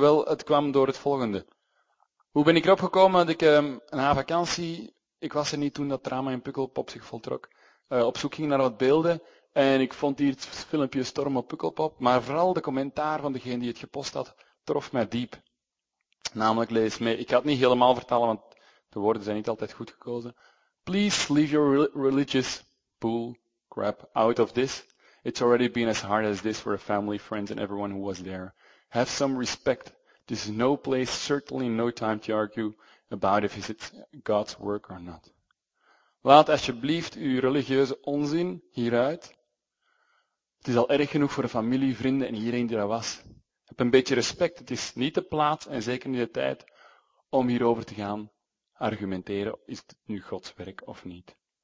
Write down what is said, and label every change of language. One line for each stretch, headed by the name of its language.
Dutch: Wel, het kwam door het volgende. Hoe ben ik erop gekomen dat ik na vakantie, ik was er niet toen dat drama in Pukkelpop zich voltrok, op zoek ging naar wat beelden. En ik vond hier het filmpje Storm op Pukkelpop. Maar vooral de commentaar van degene die het gepost had, trof mij diep. Namelijk, lees mee. Ik ga het niet helemaal vertellen, want de woorden zijn niet altijd goed gekozen.
English: Please leave your religious bull crap out of this. It's already been as hard as this for a family, friends and everyone who was there. Have some respect. This is no place, certainly no time to argue about if it's God's work or not.
Dutch: Laat alsjeblieft uw religieuze onzin hieruit. Het is al erg genoeg voor de familie, vrienden en iedereen die daar was. Heb een beetje respect. Het is niet de plaats en zeker niet de tijd om hierover te gaan argumenteren. Is het nu Gods werk of niet?